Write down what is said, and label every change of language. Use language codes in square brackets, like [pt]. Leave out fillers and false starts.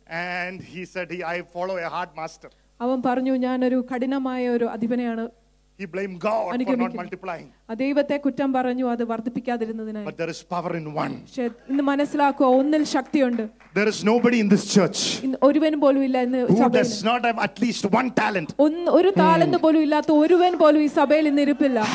[en] And he said, I follow a hard master. [ml] അവൻ പറഞ്ഞു, ഞാൻ ഒരു കഠിനമായ ഒരു അധിപനെയാണ്. [en] He blamed God for not multiplying. [ml] ദൈവത്തെ കുറ്റം പറഞ്ഞു അത് വർദ്ധിപ്പിക്കാതിരുന്നതിനായി. [en] But there is power in one. [ml] ഇന്ന് മനസ്സിലാക്കുക, ഒന്നിൽ ശക്തിയുണ്ട്. [en] There is nobody in this church. [ml] ഒരുവൻ പോലും ഇല്ല ഇന്ന് സഭയിൽ. [en] Who does not have at least one talent. [ml] ഒരു താലന്ത് പോലും ഇല്ലാത്ത ഒരുവൻ പോലും ഈ സഭയിൽ ഇന്ന് ഇരിപ്പില്ല.